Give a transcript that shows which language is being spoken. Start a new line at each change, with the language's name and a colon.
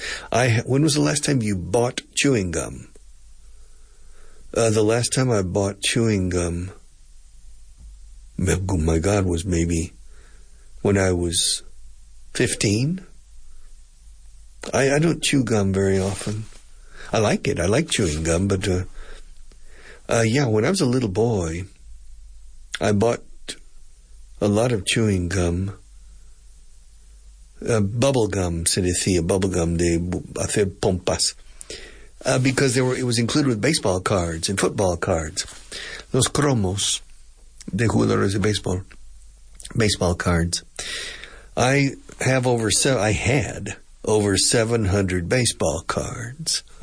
English: When was the last time you bought chewing gum? The last time I bought chewing gum, my God, was maybe when I was 15. I don't chew gum very often. I like it. I like chewing gum, but when I was a little boy, I bought a lot of chewing gum.
Spanish: Bubble gum, se decía, bubble gum de hacer pompas.
English: Because there were, it was included with baseball cards and football cards.
Spanish: Los cromos de jugadores de baseball.
English: Baseball cards. I have over, I had over 700 baseball cards.